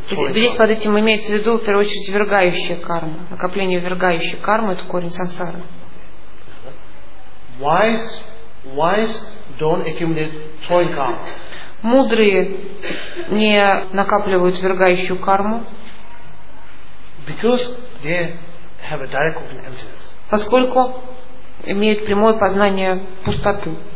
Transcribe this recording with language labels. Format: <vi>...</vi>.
<ru>Здесь под этим имеется в виду в первую очередь ввергающая карма. Накопление ввергающей кармы это корень сансары.</ru> <en>Wise don't accumulate throwing karma.</en> <ru>Мудрые не накапливают ввергающую карму.</ru> <en>Because they have a direct cognitive emptiness.</en> <ru>Поскольку имеют прямое познание пустоты.</ru>